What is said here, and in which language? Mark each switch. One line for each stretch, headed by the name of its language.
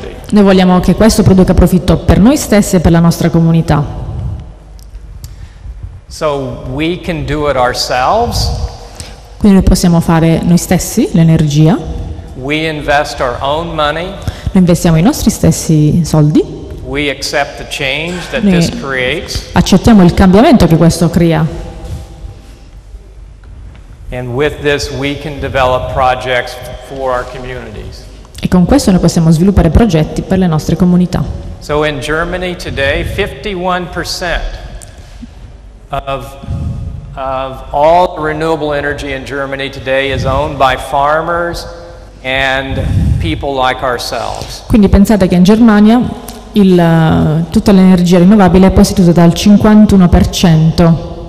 Italian: Noi vogliamo che questo produca profitto per noi stessi e per la nostra comunità.
English: So we can do it ourselves.
Italian: Quindi noi possiamo fare noi stessi l'energia.
English: We invest our own money.
Italian: Noi investiamo i nostri stessi soldi.
English: We accept the change that this creates.
Italian: Accettiamo il cambiamento che questo crea.
English: And with this we can develop projects for our communities.
Italian: E con questo noi possiamo sviluppare progetti per le nostre comunità.
English: So in Germany today 51% of all renewable energy in Germany today is owned by farmers and people like ourselves.
Italian: Quindi pensate che in Germania tutta l'energia rinnovabile è posseduta dal 51%.